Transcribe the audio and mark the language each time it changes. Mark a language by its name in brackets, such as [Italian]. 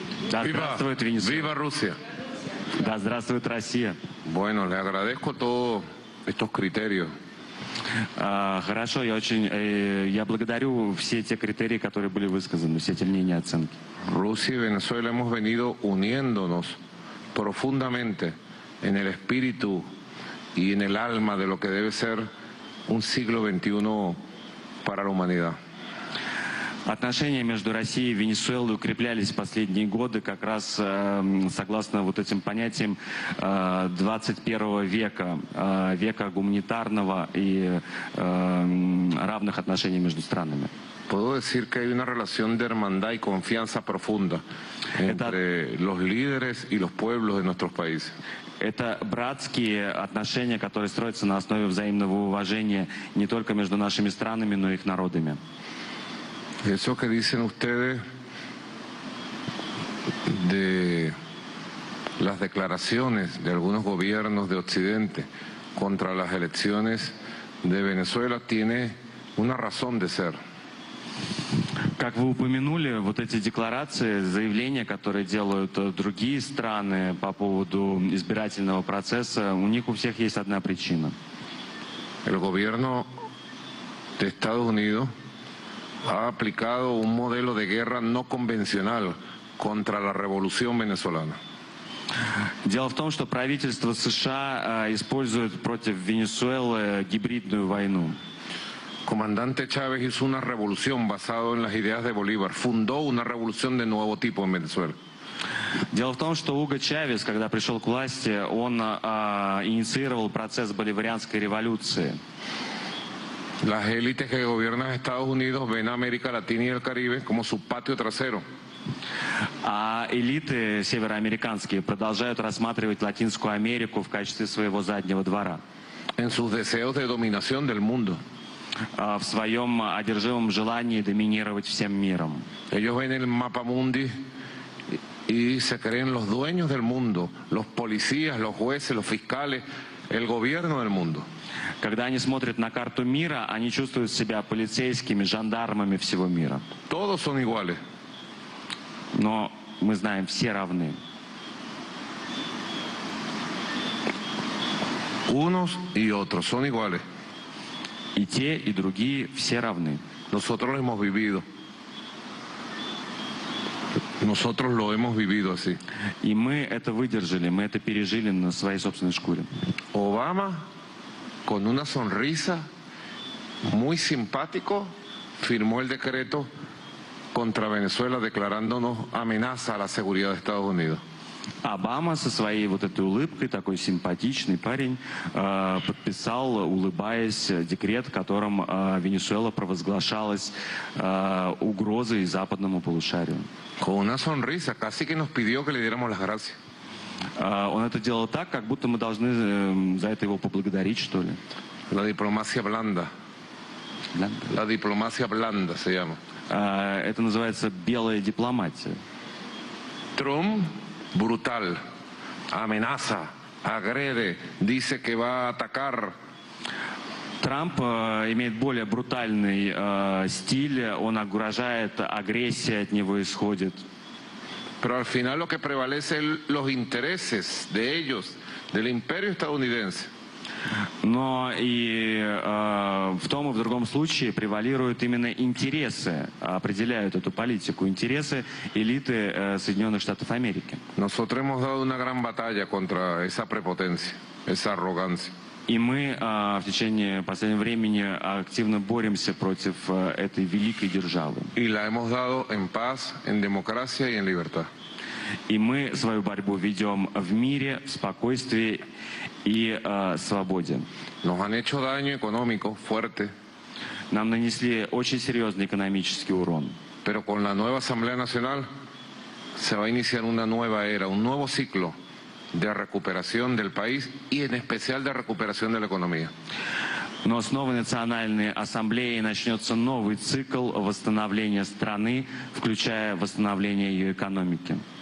[Russian] Da здравствует Венесуэла. [Spanish] ¡Viva Rusia! [Russian] Da здравствует Россия. [Spanish] Bueno, le agradezco todos estos criterios. [Russian] Хорошо, я очень я благодарю все те критерии, которые были высказаны, все эти мнения, оценки. [Spanish] Rusia y Venezuela hemos venido uniéndonos profundamente en el espíritu y en el alma de lo que debe ser un siglo XXI para la humanidad. [Russian] Отношения между Россией и Венесуэлой укреплялись последние годы как раз согласно вот этим понятиям 21 века, века гуманитарного и равных отношений между странами. [Spanish] Puedo decir que hay una relación de hermandad y confianza profunda entre los líderes y los pueblos de nuestros países. [Russian] Это братские отношения, которые строятся на основе взаимного уважения не только между нашими странами, но и их народами. [Spanish] Eso que dicen ustedes de las declaraciones de algunos gobiernos de Occidente contra las elecciones de Venezuela tiene una razón de ser. [Russian] Как вы упомянули, вот эти декларации, заявления, которые делают другие страны по поводу избирательного процесса, у них у всех есть одна причина. [Spanish] El gobierno de Estados Unidos ha aplicado un modelo de guerra no convencional contra la revolución venezolana. [Russian] Дело в том, что правительство США использует против Венесуэлы гибридную войну. [Spanish] Comandante Chávez hizo una revolución basada en las ideas de Bolívar, fundó una revolución de nuevo tipo en Venezuela. [Russian] Дело в том, что Уго Чавес, когда пришел к власти, он инициировал процесс боливарианской революции. [Spanish] Las élites que gobiernan Estados Unidos ven a América Latina y el Caribe como su patio trasero. [Russian] А элиты североамериканские продолжают рассматривать Латинскую Америку в качестве своего заднего двора. [Spanish] En sus deseos de dominación del mundo. [Russian] В своем одержимом желании доминировать всем миром. [Spanish] Ellos ven el mapa mundi y se creen los dueños del mundo, los policías, los jueces, los fiscales, el gobierno del mundo. [Russian] Когда они смотрят на карту мира, они чувствуют себя полицейскими, жандармами всего мира. [Spanish] Todos son iguales. [Russian] Но мы знаем, все равны. [Spanish] Unos y otros son iguales. [Russian] Y те, y другие, все равны. [Spanish] Nosotros lo hemos vivido. Nosotros lo hemos vivido así. [Russian] Y мы это выдержали, мы это пережили на своей собственной шкуре. [Spanish] Обама, con una sonrisa muy simpático, firmó el decreto contra Venezuela declarándonos amenaza a la seguridad de Estados Unidos. [Russian] Обама со своей вот этой улыбкой, такой симпатичный парень, подписал, улыбаясь, декрет, которым Венесуэла провозглашалась угрозой западному полушарию. [Spanish] Con una sonrisa, casi que nos pidió que le diéramos las gracias. [Russian] Он это делал так, как будто мы должны за это его поблагодарить, что ли. [Spanish] La diplomacia blanda. La diplomacia blanda se llama. [Russian] Это называется белая дипломатия. [Spanish] Trump, brutal, amenaza, agrede, dice que va a atacar. [Russian] Трамп имеет более брутальный стиль, он угрожает, агрессия от него исходит. [Spanish] Pero al final lo que prevalece son los intereses de ellos, del imperio estadounidense. [Russian] Но и в том и в другом случае превалируют именно интересы, определяют эту политику, интересы элиты Соединенных Штатов Америки. [Spanish] Nosotros hemos dado una gran batalla contra esa prepotencia, esa arrogancia. [Russian] И мы в течение последнего времени активно боремся против этой великой державы. [Spanish] Y la hemos dado en paz, en democracia y en libertad. [Russian] И мы свою борьбу ведем в мире, в спокойствии и свободе. [Spanish] Nos han hecho daño económico fuerte. [Russian] Нам нанесли очень серьезный экономический урон. [Spanish] Pero con la nueva Asamblea Nacional se va a iniciar una nueva era, un nuevo ciclo de recuperación del país y en especial de recuperación de la economía. [Russian] Но с новой национальной ассамблеей начнется новый цикл восстановления страны, включая восстановление ее экономики.